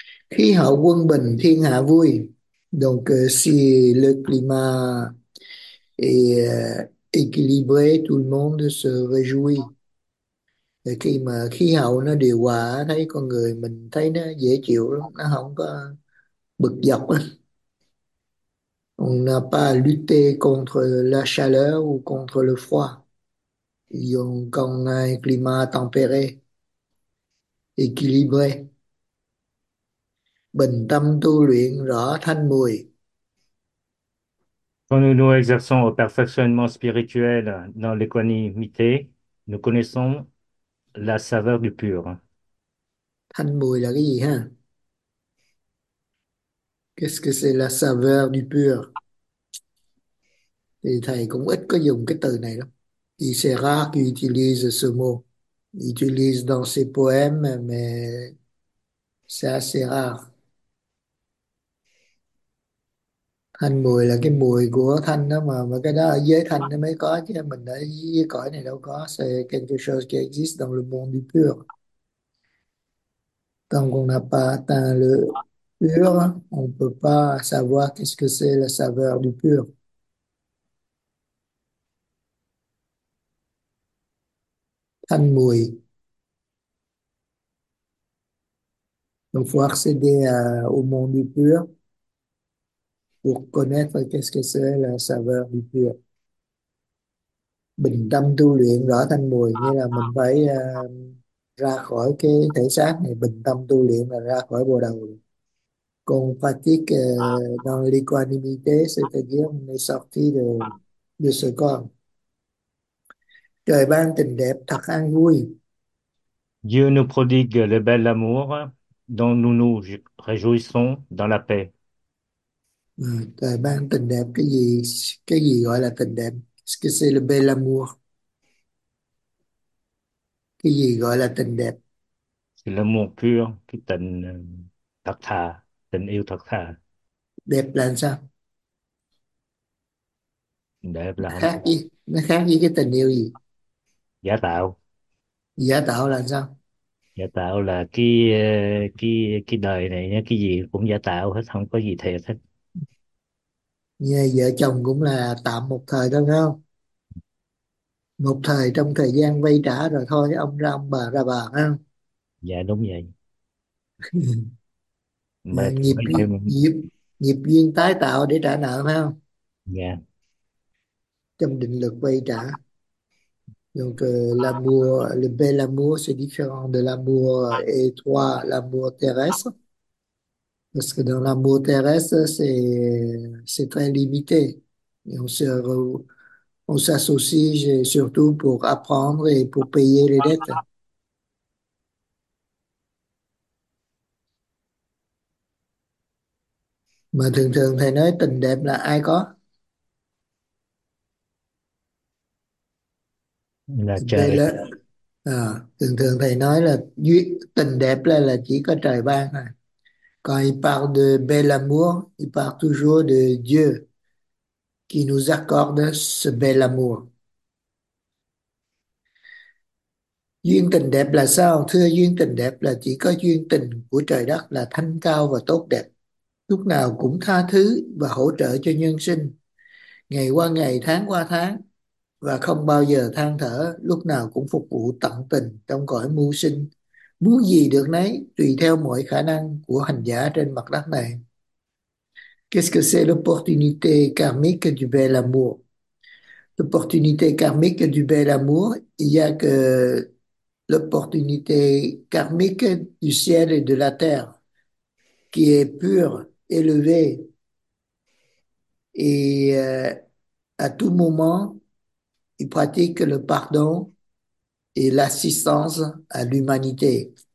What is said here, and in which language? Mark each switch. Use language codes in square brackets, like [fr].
[vi] Khí hậu quân bình, thiên hạ vui. [fr] Donc, si le climat est équilibré, tout le monde se réjouit. [vi] Thì khi mà khí hậu nó điều hòa, thấy con người mình thấy nó dễ chịu lắm, nó không có bực dọc. [fr] On n'a pas lutté contre la chaleur ou contre le froid. Ils ont un climat tempéré, équilibré. [vi] Bình tâm tu luyện rõ thanh mùi. [fr] Quand nous exerçons au perfectionnement spirituel dans l'équanimité, nous connaissons la saveur du pur. [vi] Thanh mùi là cái gì ha? [fr] Qu'est-ce que c'est la saveur du pur? [vi] Thì thầy cũng ít có dùng cái từ này lắm. [fr] Il sera rare qu'il utilise ce mot. Il utilise dans ses poèmes, mais c'est assez rare. [vi] Thanh mùi là cái mùi của thanh đó mà cái đó ở giới thanh nó mới có chứ. Mình ở dưới cõi này đâu có. [fr] C'est quelque chose qui existe dans le monde du pur. Tant qu'on n'a pas atteint le pur, on ne peut pas savoir qu'est-ce que c'est la saveur du pur. [vi] Thanh mùi. [fr] Donc, il faut accéder au monde du pur pour connaître qu'est-ce que c'est la saveur du pur. [vi] Bình tâm tu luyện rõ thanh mùi, nghĩa là mình phải ra khỏi cái thể xác này, bình tâm tu luyện là ra khỏi bồ đầu. Còn [fr] pratique dans l'équanimité, c'est-à-dire on est sorti de ce corps. [vi] Trời ban tình đẹp thật an vui. [fr] Dieu nous prodigue le bel amour dont nous nous réjouissons dans la paix. [vi] Trời ban tình đẹp, cái gì gọi là tình đẹp? [fr] Que c'est le bel amour? [vi] Cái gì gọi là tình đẹp? [fr] C'est l'amour pur, [vi] cái tình thật thà, tình yêu thật thà. Đẹp là sao? Đẹp Nó là không khác gì? Nó khác với cái tình yêu gì? giả tạo. Giả tạo là sao? Giả tạo là cái đời này nhá, cái gì cũng giả tạo hết, không có gì thiệt hết. Như vợ chồng cũng là tạm một thời thôi, phải không? Một thời trong thời gian vay trả rồi thôi, ông ra ông bà ra bà Dạ đúng vậy, ha. mà Nghiệp bây giờ mình nghiệp nghiệp duyên tái tạo để trả nợ, phải không? Trong định luật vay trả. [fr] Donc l'amour, le bel amour, c'est différent de l'amour étroit, l'amour terrestre. Parce que dans l'amour terrestre, c'est très limité. Et on s'associe surtout pour apprendre et pour payer les dettes. [vi] Mà thường thường thầy nói tình đẹp là ai có? là Đây trời. là thường thường thầy nói là duyên tình đẹp là chỉ có trời ban thôi. [fr] Quand il parle de bel amour, il parle toujours de Dieu qui nous accorde ce bel amour. [vi] Duyên tình đẹp là sao? Thưa, duyên tình đẹp là chỉ có duyên tình của trời đất là thanh cao và tốt đẹp, lúc nào cũng tha thứ và hỗ trợ cho nhân sinh, ngày qua ngày, tháng qua tháng. và không bao giờ than thở, lúc nào cũng phục vụ tận tình trong cõi mưu sinh, muốn gì được nấy tùy theo mọi khả năng của hành giả trên mặt đất này. [fr] Qu'est-ce que c'est l'opportunité karmique du bel amour? L'opportunité karmique du bel amour, il y a que l'opportunité karmique du ciel et de la terre, qui est pure, élevée, et à tout moment, il pratique le pardon et l'assistance à l'humanité.